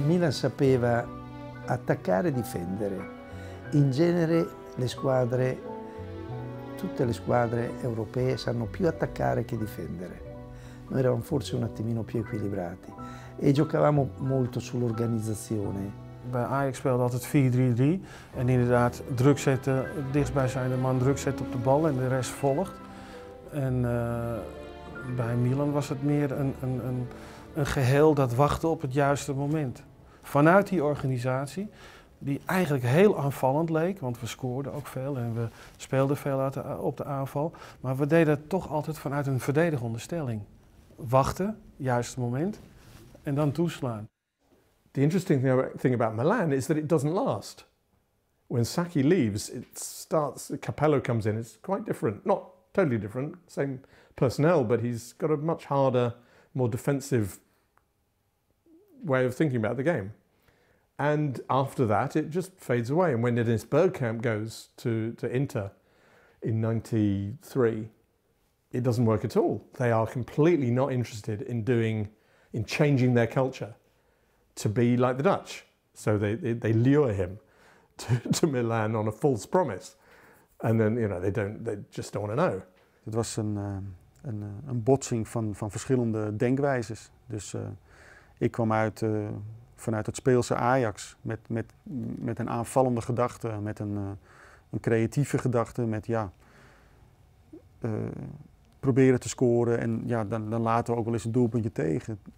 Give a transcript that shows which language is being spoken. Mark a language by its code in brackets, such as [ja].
[it] sapeva attaccare e difendere. In genere le squadre, tutte le squadre europee sanno più attaccare che difendere. Noi eravamo forse un attimino più equilibrati e giocavamo molto sull'organizzazione. [nl] Bij Ajax speelde altijd 4-3-3 en inderdaad druk zetten, dichtstbijzijnde man druk zetten op de bal en de rest volgt. En bij Milan was het meer een geheel dat wachtte op het juiste moment. Vanuit die organisatie, die eigenlijk heel aanvallend leek, want we scoorden ook veel en we speelden veel op de aanval. Maar we deden het toch altijd vanuit een verdedigende stelling. Wachten, juiste moment en dan toeslaan. [en] The interesting thing about Milan is that it doesn't last. When Sacchi leaves, it starts, Capello comes in, it's quite different. Not totally different, same personnel, but he's got a much harder, more defensive way of thinking about the game. And after that, it just fades away. And when Dennis Bergkamp goes to Inter in 93, it doesn't work at all. They are completely not interested in changing their culture to be like the Dutch. So they lure him to Milan on a false promise. And then, you know, they just don't want to know. [nl] Het was een botsing van verschillende denkwijzes. Dus ik kwam uit vanuit het speelse Ajax met een aanvallende gedachte, met een creatieve gedachte, met proberen te scoren en dan laten we ook wel eens een doelpuntje tegen.